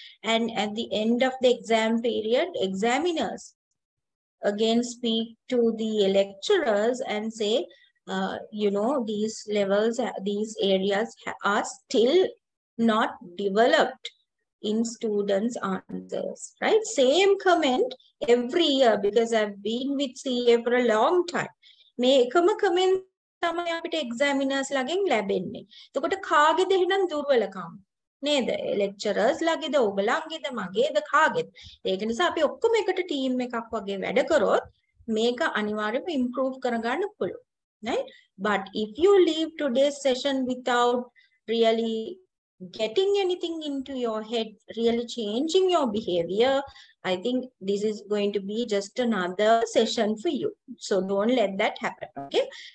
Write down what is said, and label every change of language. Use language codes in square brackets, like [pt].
[en] And at the end of the exam period, examiners again speak to the lecturers and say, these levels, these areas are still not developed in students' answers, right? Same comment every year, because I've been with CA for a long time. [si] මේකම කමෙන් තමයි අපිට examiners ලගෙන් ලැබෙන්නේ. එතකොට කාගේද එහෙනම් දුර්වලකම? නේද? lecturers ලගේද, ඔබලාගේද, මගේද, කාගේද? ඒක නිසා අපි ඔක්කොම එකට ටීම් එකක් වගේ වැඩ කරොත් මේක අනිවාර්යයෙන්ම improve කරගන්න පුළුවන්. [en] Right? But if you leave today's session without really getting anything into your head, really changing your behavior, I think this is going to be just another session for you. So don't let that happen. Okay.